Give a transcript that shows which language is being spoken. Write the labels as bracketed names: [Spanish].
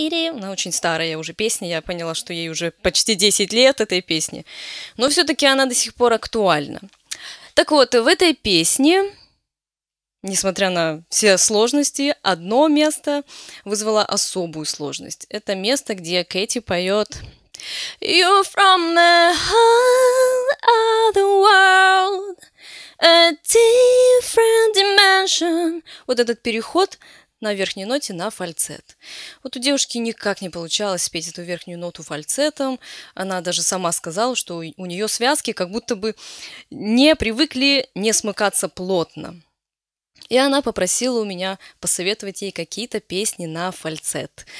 [Russian] Она очень старая уже песня, я поняла, что ей уже почти 10 лет этой песни. Но все-таки она до сих пор актуальна. Так вот, в этой песне, несмотря на все сложности, одно место вызвало особую сложность. Это место, где Кэти поет [English] «You're from the whole other world, a different dimension». [Russian] Вот этот переход на верхней ноте на фальцет. Вот у девушки никак не получалось спеть эту верхнюю ноту фальцетом. Она даже сама сказала, что у нее связки как будто бы не привыкли не смыкаться плотно. И она попросила у меня посоветовать ей какие-то песни на фальцет.